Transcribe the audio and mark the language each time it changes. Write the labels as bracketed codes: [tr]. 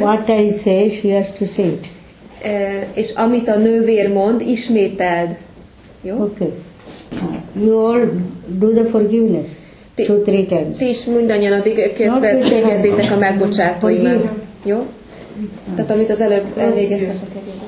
[en] What I say, she has to say it. [hu] És amit a nővér mond, ismételd. Jó? [en] Oké. Okay. You all do the forgiveness two, three times. [hu] Ti is mindannyian addig kezdjétek a megbocsátóimat. Jó? Tehát amit az előbb elvégeztek a